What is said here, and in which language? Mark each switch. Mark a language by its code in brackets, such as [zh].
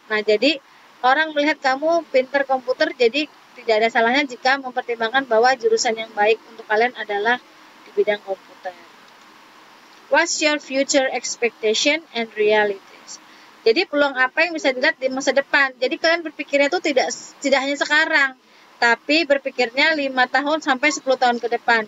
[id] Nah, jadi orang melihat kamu pinter komputer, jadi tidak ada salahnya jika mempertimbangkan bahwa jurusan yang baik untuk kalian adalah di bidang komputer. [en] What's your future expectation and realities? [id] Jadi peluang apa yang bisa dilihat di masa depan? Jadi kalian berpikirnya itu tidak hanya sekarang, tapi berpikirnya 5 tahun sampai 10 tahun ke depan.